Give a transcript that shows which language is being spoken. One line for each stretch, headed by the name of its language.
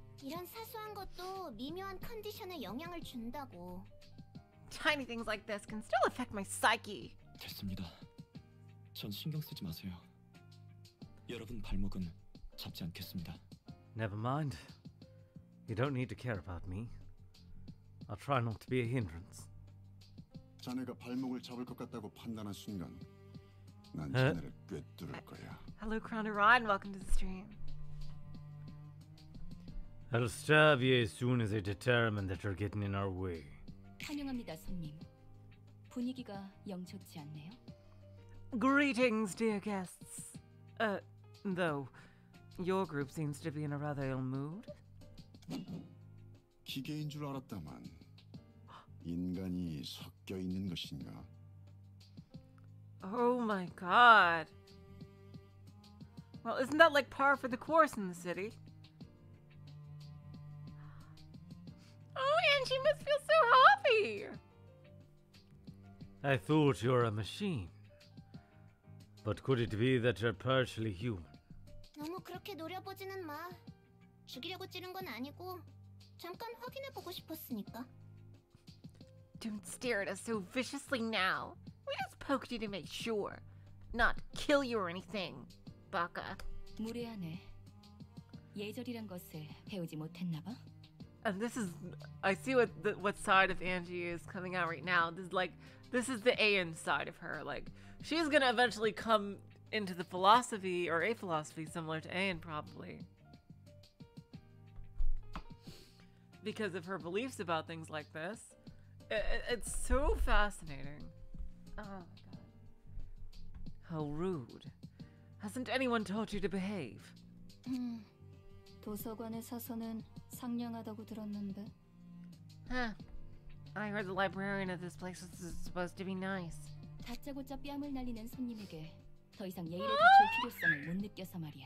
Korean: 이런 사소한 것도 미묘한 컨디션에 영향을 준다고.
English: Tiny things like this can still affect my psyche.
Korean: 됐습니다. 전 신경 쓰지 마세요. 여러분 발목은 잡지 않겠습니다.
English: Never mind. You don't need to care about me. I'll try not to be a hindrance.
Korean: 자네가 발목을 잡을 것 같다고 판단한 순간 난 자네를 꿰뚫을 거야.
English: Hello, Crown of Ryan. Welcome to the stream. I'll stab you as soon as I determine that you're getting in our way.
Korean: 환영합니다, 손님. 분위기가 영 좋지 않네요.
English: Greetings, dear guests. Though... Your group seems to be in a rather ill mood.
Korean: 기계인 줄 알았다만 인간이 섞여 있는 것인가?
English: Oh my god. Well, isn't that like par for the course in the city? Oh, Angie must feel so happy. I thought you were a machine. But could it be that you're partially human?
Korean: 너무 그렇게 노려보지는 마. 죽이려고 찌른 건 아니고 잠깐 확인해 보고 싶었으니까.
English: Don't stare at us so viciously now. We just poked you to make sure, not kill you or anything, Baka.
Korean: 무례하네. 예절이란 것을 배우지 못했나 봐.
English: And this is, I see what side of Angie is coming out right now. This is like, this is the Aeon side of her. Like, she's gonna eventually come. Into the philosophy, or a philosophy similar to Aeon, probably. Because of her beliefs about things like this. It's so fascinating. Oh my god. How rude. Hasn't anyone taught you to behave?
Korean: 도서관의 사서는 상냥하다고 들었는데. Huh.
English: I heard the librarian of this place was supposed to be nice.
Korean: 다짜고짜 뺨을 날리는 손님에게 더 이상 예의를 갖출 필요성을 못 느껴서 말이야.